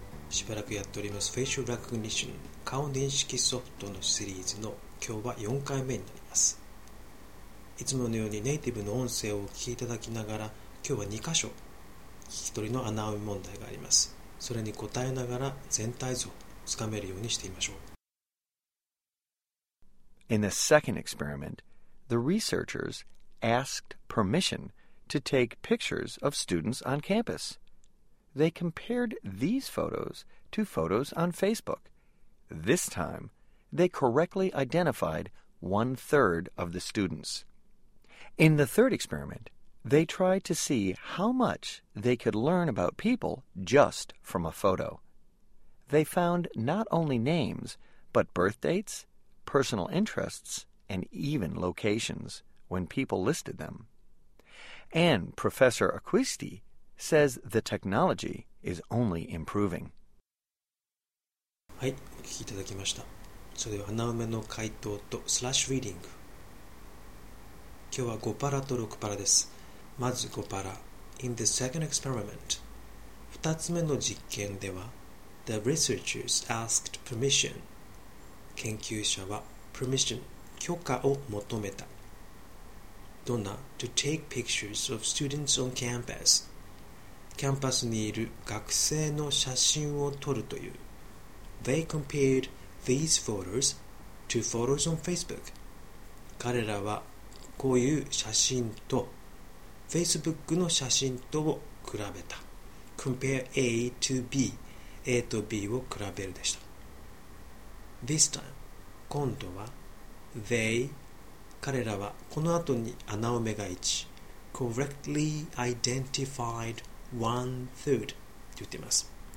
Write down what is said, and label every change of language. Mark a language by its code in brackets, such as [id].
[ja] しばらくやっております [en] Facial Recognition [ja] 顔認識ソフトのシリーズの今日は4回目になります。いつものようにネイティブの音声をお聞きいただきながら、今日は2箇所聞き取りの穴埋め問題があります。それに答えながら全体像をつかめるようにしてみましょう。 [en] In the second experiment, the researchers asked permission to take pictures of students on campus. They compared these photos to photos on Facebook. This time, they correctly identified 1/3 of the students. In the third experiment, they tried to see how much they could learn about people just from a photo. They found not only names, but birth dates,personal interests, and even locations when people listed them. And Professor Acquisti says the technology is only improving. [ja] はい、お聞きいただきました。それでは穴埋めの回答とスラッシュリーディング。今日は5パラと6パラです。まず5パラ。 [en] In the second experiment, [ja] 2つ目の実験では、 [en] The researchers asked permission. [ja] 研究者はPermission 許可を求めた。どんな [en] To take pictures of students on campus. [ja] キャンパスにいる学生の写真を撮るという。 [en] They compared these photos to photos on Facebook. [ja] 彼らはこういう写真と Facebook の写真とを比べた。 [en] Compare A to B. [ja] A と B を比べるでした。 [en] This time. [ja] 今度は They 彼らはこの後に穴埋めが1 [en] Correctly identified 1/3 [ja] って言っています。